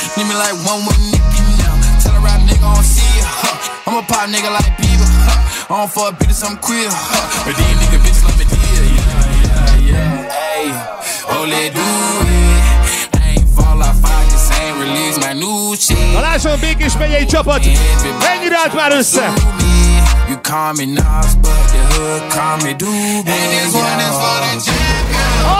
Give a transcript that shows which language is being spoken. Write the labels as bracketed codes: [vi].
[en] Like one with Nicki now. Tell a rap nigga I don't see ya, huh. I'm a pop nigga like Bieber, huh. I don't fuck bitches, I'm queer, huh. But these nigga bitches love me dear. Yeah, yeah, yeah. Ayy, holy do it. I ain't fall off, I just ain't release my new shit. [hu] A lássam békés megyei csapat. Mennyire állt már össze? [en] You call me Nas, but the hood call me Doobie. And this one is for the champion.